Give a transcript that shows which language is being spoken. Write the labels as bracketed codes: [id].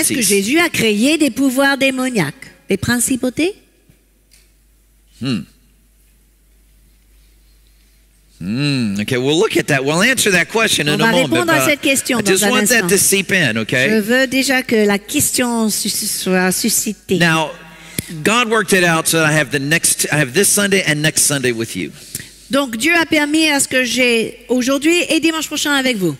[fr] Est-ce que Jésus a créé des pouvoirs démoniaques, des principautés? [en] Okay, we'll look at that. We'll answer that question on in a moment. [fr] On va répondre à cette question dans un instant. [en] I just want that to seep in, okay? [fr] Je veux déjà que la question soit suscitée. [en] Now, God worked it out so that I have this Sunday and next Sunday with you. [fr] Donc Dieu a permis à ce que j'ai aujourd'hui et dimanche prochain avec vous.